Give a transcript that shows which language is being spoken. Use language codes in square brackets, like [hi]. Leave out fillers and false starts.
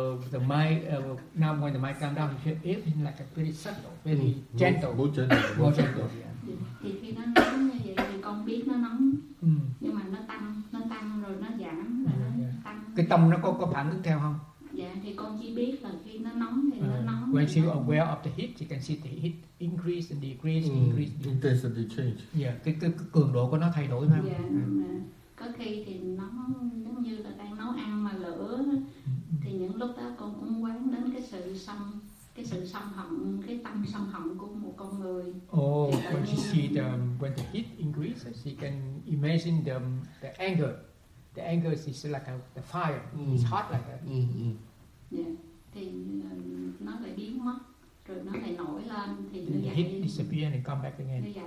[en] The mind, now when the mind calm down, it feels like a pretty subtle, very gentle. More gentle. More gentle, yeah. [vi] Thì khi nó nóng như vậy thì con biết nó nóng. Nhưng mà nó tăng rồi nó giảm, rồi nó tăng. Cái tâm nó có phản ứng theo không? Dạ, thì con chỉ biết là khi nó nóng thì nó nóng. [en] When she's aware of the heat, she can see the heat increase and decrease, Intensity change. [vi] Yeah, cái cường độ của nó thay đổi mà. [en] Yeah. [vi] Có khi thì nó giống như là đang nấu ăn mà lửa, thì những lúc đó con cũng quán đến cái sự sân hận, cái tâm sân hận của một con người. [en] Oh, when she see when the heat increases, she can imagine the anger. The anger is like the fire. It's hot like that. [vi] Yeah, thì nó lại biến mất, rồi nó lại nổi lên. Thì [en] the heat disappears and come back again.